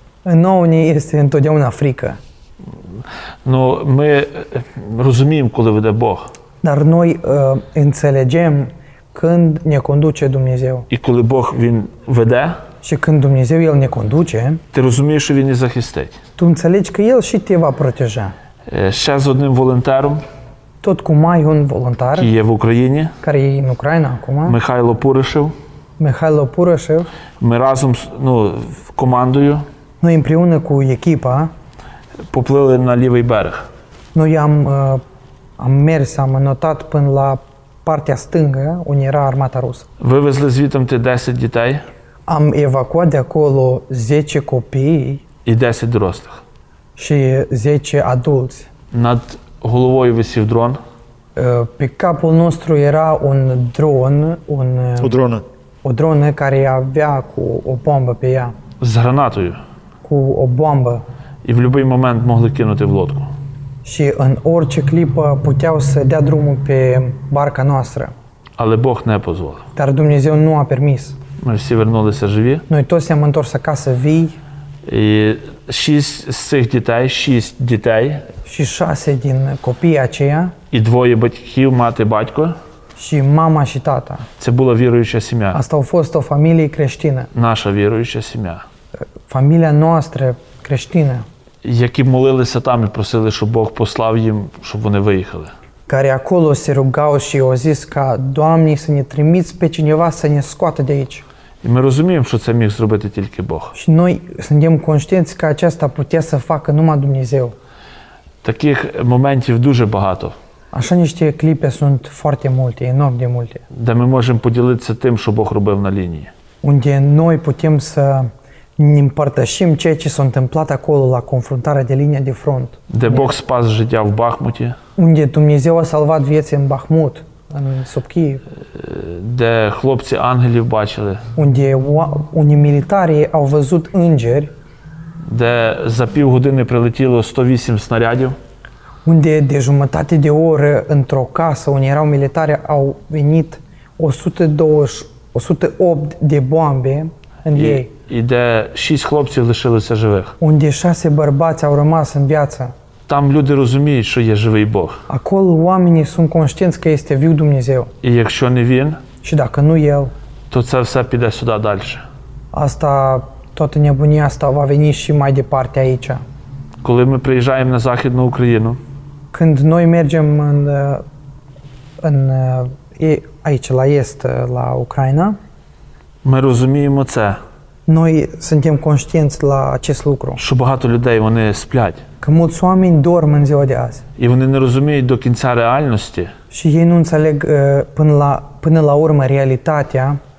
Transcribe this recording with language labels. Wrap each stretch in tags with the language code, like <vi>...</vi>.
<uk>Но у неї є</uk> <ro>întotdeauna</ro> <uk>фрика. Ну, ми розуміємо, коли веде Бог.</uk> <ro>Dar noi înțelegem când ne conduce Dumnezeu.</ro> <uk>І коли Бог він веде?</uk> <ro>Și când Dumnezeu el ne conduce?</ro> <uk>Ти розумієш, що він не захистить.</uk> <ro>Tu înțelegi că el și te va proteja.</ro> <uk>Ще з одним волонтером.</uk> <ro>Tot cu mai un voluntar. Care e în Ucraina. Care e în Ucraina acum. Mihailo Purășev. Mihailo Purășev.</ro> <uk>Ми разом, ну, командою.</uk> <ro>Noi împreună cu echipa.</ro> <uk>Поплили на лівий берег.</uk> <ro>Noi am mers, am înotat până la partea stângă, unde era armata rusă.</ro> <uk>Вивезли звідти 10 дітей.</uk> <ro>Am evacuat de acolo 10 copii.</ro> <uk>І 10 дорослих.</uk> <ro>Și 10 adulți.</ro> <uk>Над головою висів дрон.</uk> <ro>Pe capul nostru era un dron, o dronă care avea cu o bombă pe ea.</ro> <uk>З гранатою.</uk> <ro>Cu o bombă.</ro> <uk>І в будь-який момент могли кинути в лодку.</uk> <ro>Și în orice clipă puteau să dea drumul pe barca noastră.</ro> <uk>Але Бог не позволив.</uk> <ro>Dar Dumnezeu nu a permis.</ro> <uk>Ми всі вернулися живі.</uk> <ro>Noi toți ne-am întors acasă vii.</ro> <uk>І шість дітей.</uk> <ro>Și șase din copiii aceia.</ro> <uk>І двоє батьків, мати, батько.</uk> <ro>Și mama și tata.</ro> <uk>Це була віруюча сім'я.</uk> <ro>Asta a fost o familie creștină.</ro> <uk>Наша віруюча сім'я.</uk> <ro>Familia noastră creștină.</ro> <uk>Які молилися там і просили, щоб Бог послав їм, щоб вони виїхали.</uk> <ro>Care acolo se rugau și au zis ca, Doamne, să ne trimiți pe cineva să ne scoată de aici.</ro> <uk>І ми розуміємо, що це міг зробити тільки Бог.</uk> <ro>Și noi suntem conștienți că aceasta putea să facă numai Dumnezeu.</ro> <uk>Таких моментів дуже багато.</uk> <ro>Așa niște clipe sunt foarte multe, enorm de multe.</ro> <uk>Де ми можемо поділитися тим, що Бог робив на лінії.</uk> <ro>Unde noi putem să ne împărtășim ceea ce s-a întâmplat acolo la confruntarea de linia de front.</ro> <uk>De Bog spas jitea v Bahmuti.</uk> <ro>Unde Dumnezeu a salvat vieții în Bahmut, în sub Kiev.</ro> <uk>De хлопці ангелів бачили.</uk> <ro>Unde unii militari au văzut îngeri.</ro> <uk>De за півгодини прилетіло 108 снарядів.</uk> <ro>Unde de jumătate de oră într-o casă unde erau militari au venit 108 de bombe în ei.</ro> <uk>І де шість хлопців лишилися живих.</uk> <ro>Unde șase bărbați au rămas în viață.</ro> <uk>Там люди розуміють, що є живий Бог.</uk> <ro>Acolo oamenii sunt conștienți că este viu Dumnezeu.</ro> <uk>І якщо не він,</uk> <ro>și dacă nu El,</ro> <uk>то це все піде сюди далі.</uk> <ro>Asta, toată nebunia asta va veni și mai departe aici.</ro> <uk>Коли ми приїжджаємо на Західну Україну,</uk> <ro>când noi mergem în aici, la est, la Ucraina,</ro> <uk>ми розуміємо це.</uk> <ro>Noi suntem conștienți la acest lucru.</ro> <uk>Și багато людей вони сплять.</uk> <ro>Că mulți oameni dorm în ziua de azi.</ro> <uk>І вони не розуміють до кінця реальності.</uk> <ro>Și ei nu înțeleg până la urmă realitatea.</ro>